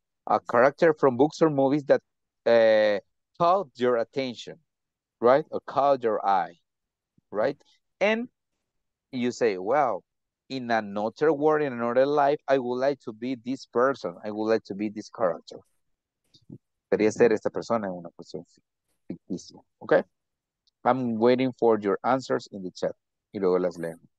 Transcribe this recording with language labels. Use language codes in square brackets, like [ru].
[en] A character from books or movies that caught your attention, right? Or caught your eye, right? And you say, well, in another world, in another life, I would like to be this person. I would like to be this character. [es] Quería ser esta persona en una cuestión ficticia. [en] Okay? I'm waiting for your answers in the chat. [es] Y luego las leo.